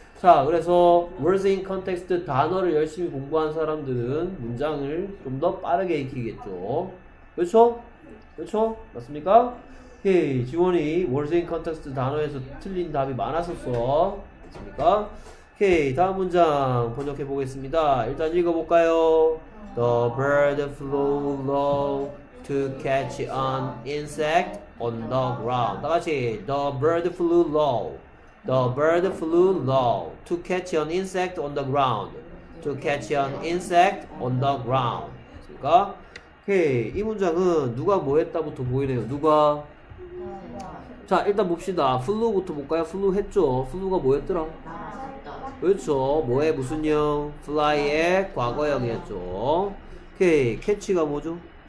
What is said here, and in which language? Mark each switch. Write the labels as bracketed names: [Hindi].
[Korean] 자, 그래서 words in context 단어를 열심히 공부한 사람들은 문장을 좀 더 빠르게 익히겠죠. 그렇죠? 그렇죠? 맞습니까? 오케이. 지원이 words in context 단어에서 틀린 답이 많았었어. 그렇습니까? 오케이, 다음 문장 번역해 보겠습니다. 일단 읽어볼까요? [English] The bird flew low to catch an insect on the ground. [Korean] 다 같이 [English] The bird flew low. The bird flew low to catch an insect on the ground. To catch an insect on the ground. [Korean] 그러니까 오케이, 이 문장은 누가 뭐 했다부터 보이네요. 누가? 자, 일단 봅시다. flew부터 볼까요? flew 했죠. flew가 뭐였더라? 그렇죠. 뭐에 무슨 형? fly의 과거형이었죠. 오케이. catch가 뭐죠?